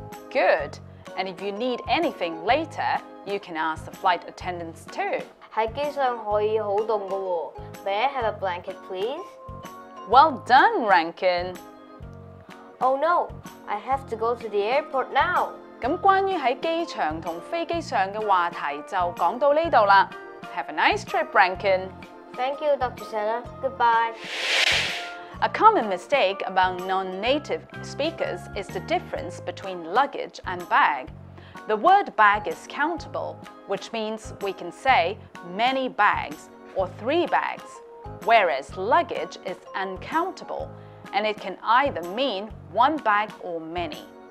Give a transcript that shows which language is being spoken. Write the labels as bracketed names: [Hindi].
[English] Good. And if you need anything later, you can ask the flight attendants too. [Cantonese] 在机上可以好冻的哦。 [English] May I have a blanket, please? Well done, Rankin. Oh no, I have to go to the airport now. [Cantonese] 咁关于在机场同飞机上的话题就讲到呢度啦。 [English] Have a nice trip, Rankin. Thank you, Dr. Sena. Goodbye. A common mistake among non-native speakers is the difference between luggage and bag. The word bag is countable, which means we can say many bags or three bags, whereas luggage is uncountable, and it can either mean one bag or many.